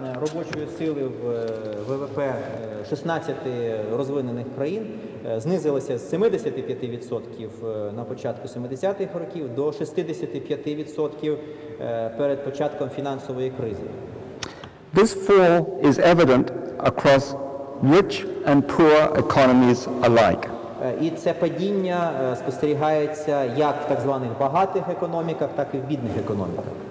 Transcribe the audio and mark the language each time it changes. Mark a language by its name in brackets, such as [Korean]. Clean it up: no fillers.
[Ukrainian] робочої сили в ВВП 16 розвинених країн знизилася з 75% на початку 70-х років до 65% перед початком фінансової кризи. [English] This fall is evident across rich and poor economies alike. [Ukrainian] І це падіння спостерігається як в так званих багатих економіках, так і в бідних економіках.